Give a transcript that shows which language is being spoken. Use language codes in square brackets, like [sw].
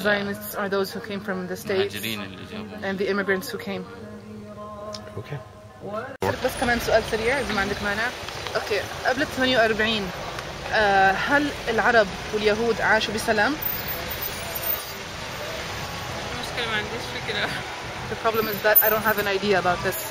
[en] Zionists are those who came from the States and the immigrants who came. Okay. [ar] بس كمان سؤال سريع إذا ما عندك مانع. أوكي، قبل 48 هل العرب واليهود عاشوا بسلام؟ المشكلة ما عنديش فكرة. [en] The problem is that I don't have an idea about this.